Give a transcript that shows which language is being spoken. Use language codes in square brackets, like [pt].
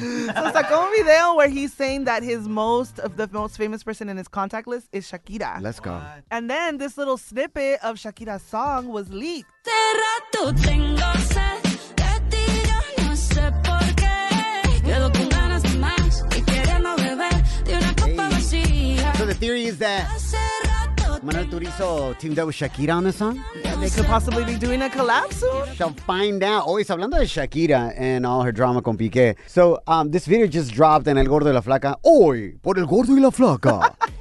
[en] So [es] sacó un video [en] where he's saying that the most famous person in his contact list is Shakira. Let's go. What? And then this little snippet of Shakira's song was leaked. [es] Este rato tengo sed de ti, yo no sé por qué. Quedo con ganas de más y queriendo beber de una copa vacía. [en] So the theory is that Manuel Turizo teamed up with Shakira on this song? Yeah, they could possibly be doing a collab soon. Shall find out. Always [es] hablando de [en] Shakira and all her drama [es] con [en] Piqué. So this video just dropped in El Gordo y la Flaca. [es] Hoy, por [en] El Gordo y la Flaca.